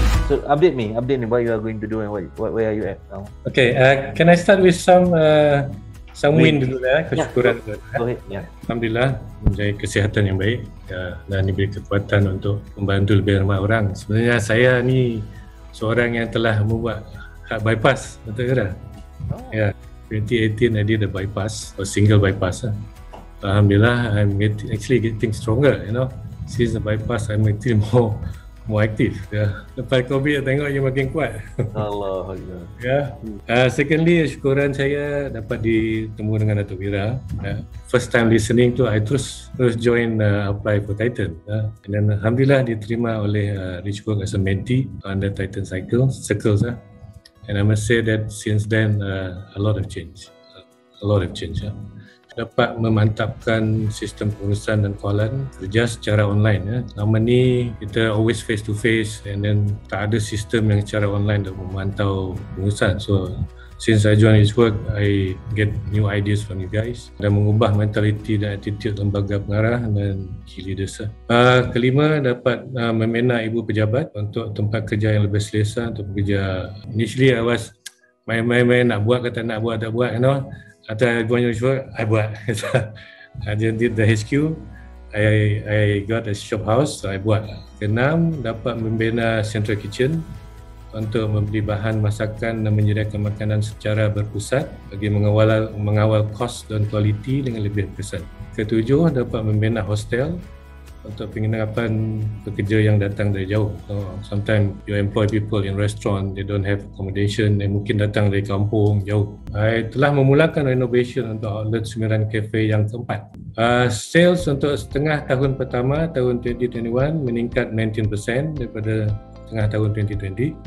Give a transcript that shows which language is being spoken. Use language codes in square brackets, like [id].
[en] So update me what you are going to do and where are you at now? Okay, can I start with some win [ms] dulu ya, kesyukuran. [en] Go ahead. [ms] Alhamdulillah, menjaga kesehatan yang baik dan diberi kekuatan untuk membantu lebih ramai orang. Sebenarnya saya ni seorang yang telah membuat heart bypass, betul ke dah? [en] Ya, 2018 I did a bypass, a single bypass. Alhamdulillah, I'm actually getting stronger, you know. Since the bypass, I'm actually more aktif. [ms] Yeah. Lepas COVID, tengok dia makin kuat. Allah. [en] Yeah. [ms] Secondly, syukuran saya dapat ditemu dengan Dato' Wira. [en] First time listening tu, I terus join apply for Titan. And then, Alhamdulillah [ms] diterima oleh [en] Rich Work as a mentee under Titan Circles. And I must say that since then, a lot of change. [ms] Dapat memantapkan sistem pengurusan dan kawalan kerja secara online. Lama ni kita [en] always face to face and then [ms] tak ada sistem yang secara online untuk memantau pengurusan. [en] So since I join this work, I get new ideas from you guys [ms] dan mengubah mentaliti dan attitude lembaga pengarah dan key leaders. Kelima, dapat membina ibu pejabat untuk tempat kerja yang lebih selesa untuk bekerja. [en] Initially I was [ms] main nak buat kata nak buat tak buat, [en] you know. After I go on your show, I buat. I did the HQ. I got a shop house, so I buat. [ms] Keenam, dapat membina central kitchen untuk membeli bahan masakan dan menyediakan makanan secara berpusat bagi mengawal kos dan kualiti dengan lebih berkesan. Ketujuh, dapat membina hostel untuk penginapan pekerja yang datang dari jauh. [en] So, sometimes you employ people in restaurant, they don't have accommodation, they [ms] mungkin datang dari kampung jauh. I telah memulakan renovation untuk outlet Sumiran Cafe yang keempat. Sales untuk setengah tahun pertama, tahun 2021, meningkat 19% daripada setengah tahun 2020.